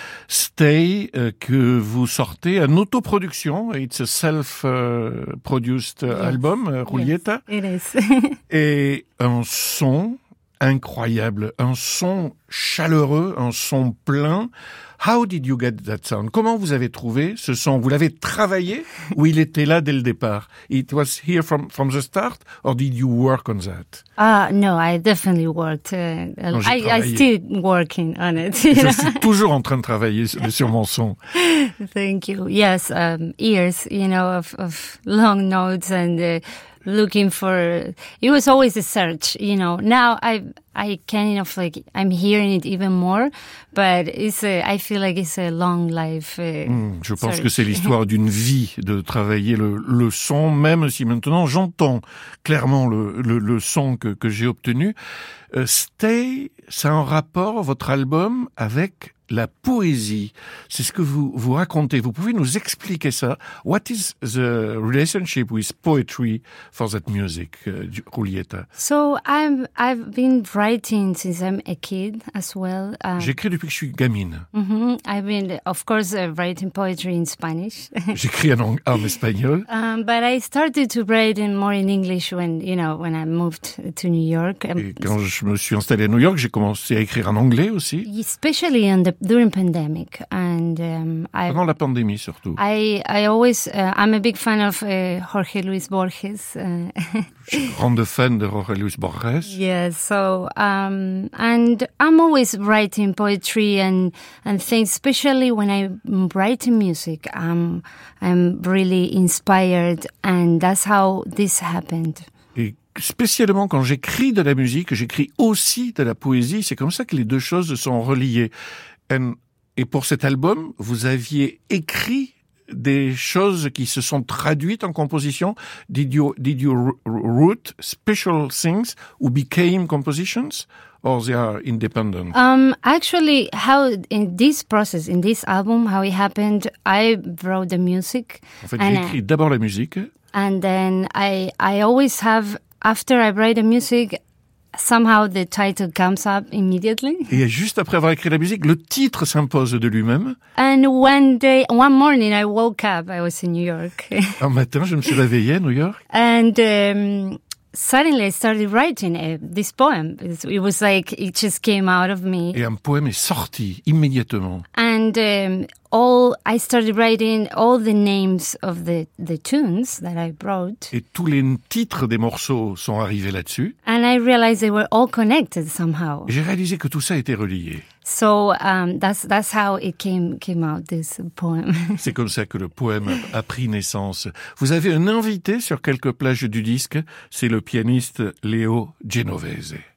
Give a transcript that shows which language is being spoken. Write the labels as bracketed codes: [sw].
[fr] Stay, que vous sortez en autoproduction, [en] it's a self-produced album, [fr] Julieta. [en] Yes, it is. [fr] Et un son incroyable, un son chaleureux, un son plein. [en] How did you get that sound? [fr] Comment vous avez trouvé ce son? Vous l'avez travaillé ou il était là dès le départ? [en] It was here from the start or did you work on that? No, I definitely worked. I still working on it. [fr] Je suis toujours en train de travailler sur mon son. [en] Thank you. Yes, years, you know, of long notes and looking for, it was always a search, you know. Now I kind of like, I'm hearing it even more, but I feel like it's a long life. [fr] Je pense que c'est l'histoire d'une vie de travailler le son, même si maintenant j'entends clairement le son que j'ai obtenu. Stay, c'est un rapport, votre album, avec la poésie. C'est ce que vous racontez. Vous pouvez nous expliquer ça. [en] What is the relationship with poetry for that music, Julieta? So I've been writing since I'm a kid as well. [fr] J'écris depuis que je suis gamine. Mm-hmm. [en] I've been, of course, writing poetry in Spanish. [fr] J'écris en espagnol. [en] But I started to write more in English when I moved to New York. [fr] Et quand je me suis installé à New York, j'ai commencé à écrire en anglais aussi. [en] Especially in during pandemic and [fr] pendant la pandémie surtout. [en] I always I'm a big fan of Jorge Luis Borges. [fr] Je suis grande fan de Jorge Luis Borges. [en] Yes, so and I'm always writing poetry and things, especially when I'm writing music. I'm really inspired and that's how this happened. [fr] Spécialement quand j'écris de la musique, j'écris aussi de la poésie. C'est comme ça que les deux choses sont reliées. Et pour cet album, vous aviez écrit des choses qui se sont traduites en composition. [en] Did you write special things or became compositions? Or they are independent? Actually, how in this process, in this album, how it happened, I wrote the music. [fr] En fait, j'écris d'abord la musique. [en] And then I always have, after I write the music, somehow the title comes up immediately. [fr] Et juste après avoir écrit la musique, le titre s'impose de lui-même. [en] And one day, one morning, I woke up. I was in New York. [fr] Un matin, je me suis réveillé à New York. [en] And suddenly, I started writing this poem. It was like it just came out of me. [fr] Et un poème est sorti immédiatement. [en] And I started writing all the names of the tunes that I wrote. [fr] Et tous les titres des morceaux sont arrivés là-dessus. [en] And I realized they were all connected somehow. [fr] J'ai réalisé que tout ça était relié. [en] So that's how it came out, this poem. [fr] C'est comme ça que le poème a pris naissance. Vous avez un invité sur quelques plages du disque, c'est le pianiste Leo Genovese.